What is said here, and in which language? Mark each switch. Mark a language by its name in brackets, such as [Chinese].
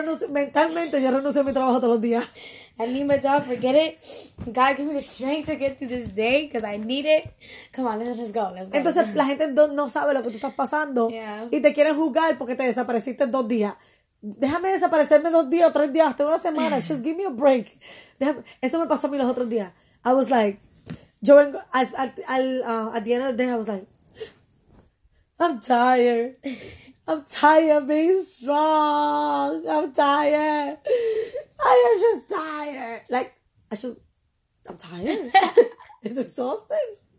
[Spanish] Mentalmente, yo renuncio a mi trabajo todos los días. [English] I need my job, forget it. God, give me the strength to get through this day because I need it. Come on, let's go, let's go. [Spanish] Entonces, la gente no sabe lo que tú estás pasando. [English] Yeah. [Spanish] Y te quieren juzgar porque te desapareciste 2 días. Déjame desaparecerme 2 días, 3 días, hasta 1 semana. [English] Just give me a break. [Spanish] Déjame. Eso me pasó a mí los otros días. [English] I was like, [Spanish] yo vengo, [English] at the end of the day, I was like, I'm tired. I'm tired of being strong. I'm tired. I am just tired. Like, I'm tired. It's exhausting.